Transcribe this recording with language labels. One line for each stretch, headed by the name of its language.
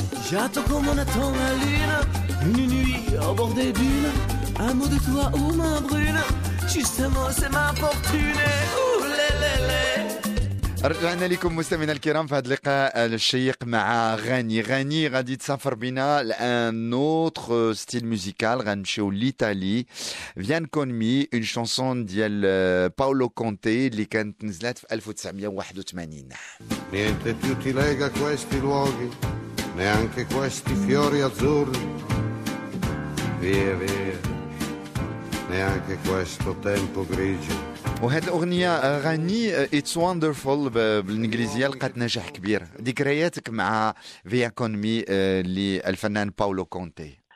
French: J'attends comme on attend la lune, une nuit au bord des dunes. Un mot de toi ou ma brune, juste un mot c'est ma fortune. Ouh lé lé lé.
Arabic: رجعنا لكم مستمعينا الكرام في هذا اللقاء الشيق مع غاني. غاني غادي تسافر بنا
French: لان اوتر ستيل ميوزيكال,
Arabic: غنمشيو لايطالي. فيان كون مي
French: اون شانسون
Arabic: ديال باولو كونتي اللي كانت نزلات في 1981.
Italian: Niente più ti lega questi luoghi, neanche questi fiori azzurri. Via via. Neanche questo tempo grigio.
Arabic: وهاد الأغنية غني It's Wonderful بالإنجليزية لقات نجاح كبير. ذكرياتك مع فيا كونمي للفنان باولو كونتي؟